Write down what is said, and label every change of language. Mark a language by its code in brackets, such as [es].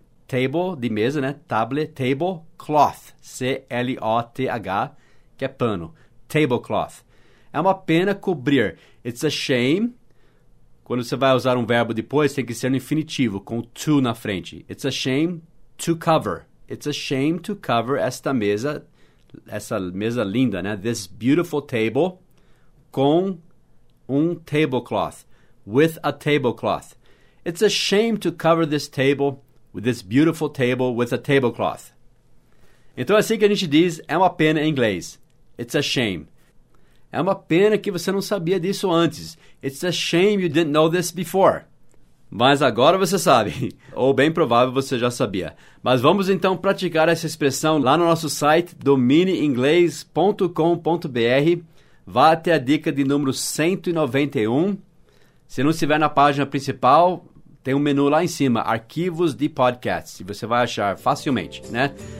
[pt] Table, de mesa, né? Table, table, cloth, C-L-O-T-H, que é pano. Tablecloth. É uma pena cobrir. [en] It's a shame. [pt] Quando você vai usar um verbo depois, tem que ser no infinitivo, com to na frente. [en] It's a shame to cover. It's a shame to cover [pt] esta mesa linda, né? [en] This beautiful table, [pt] com um [en] tablecloth. With a tablecloth. It's a shame to cover this table with this beautiful table, with a tablecloth. [pt] Então, assim que a gente diz, é uma pena em inglês. [en] It's a shame. [pt] É uma pena que você não sabia disso antes. [en] It's a shame you didn't know this before. [pt] Mas agora você sabe. Ou bem provável você já sabia. Mas vamos então praticar essa expressão lá no nosso site, dominiinglês.com.br. Vá até a dica de número 191. Se não estiver na página principal, tem um menu lá em cima, arquivos de podcasts, e você vai achar facilmente, né?